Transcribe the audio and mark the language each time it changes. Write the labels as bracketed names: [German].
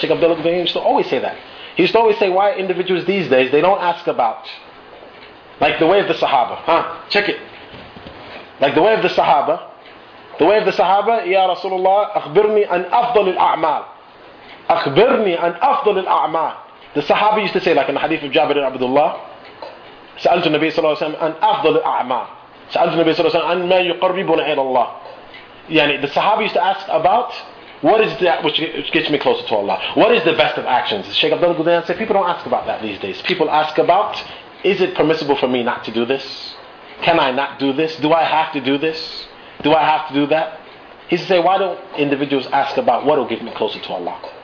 [English] Sheikh Abdullah Gudayan used to always say that. He used to always say, why individuals these days, they don't ask about, like the way of the Sahaba, huh? Check it. Like the way of the Sahaba, the way of the Sahaba, Ya Rasulullah, [Arabic] أخبرني عن أفضل الأعمال. أخبرني عن أفضل الأعمال. [English] The Sahaba used to say, like in the hadith of Jabir ibn Abdullah, [Arabic] سألت النبي صلى الله عليه وسلم عن أفضل الأعمال. سألت النبي صلى الله عليه وسلم عن ما يقربنا إلى الله. [English] يعني the Sahaba used to ask about, what is that which gets me closer to Allah? What is the best of actions? Sheikh Abdullah Gudayan said, people don't ask about that these days. People ask about, is it permissible for me not to do this? Can I not do this? Do I have to do this? Do I have to do that? He used to say, why don't individuals ask about what will get me closer to Allah?